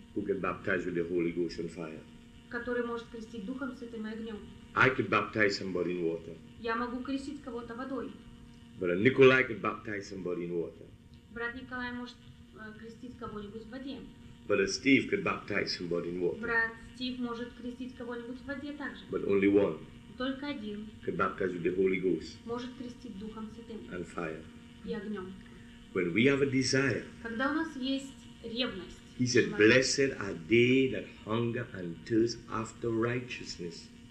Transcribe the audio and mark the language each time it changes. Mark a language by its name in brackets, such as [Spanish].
[English] who can baptize with the Holy Ghost and fire. [Russian] Который может крестить Духом Святым и огнем. [English] I could baptize somebody in water. [Russian] Я могу крестить кого-то водой. [English] Brother Nikolai could baptize somebody in water. [Russian] Брат Николай может крестить кого-нибудь в воде. [English] Brother Steve could baptize somebody in water. [Russian] Брат Стив может крестить кого-нибудь в воде также. [English] But only one. [Russian] Только один. [English] Could baptize with the Holy Ghost. [Russian] Может крестить Духом Святым. [English] And fire. [Russian] И огнем. [English] When we have a desire. [Russian] Когда у нас есть ревность. [English] He said, blessed are they that hunger and thirst after righteousness.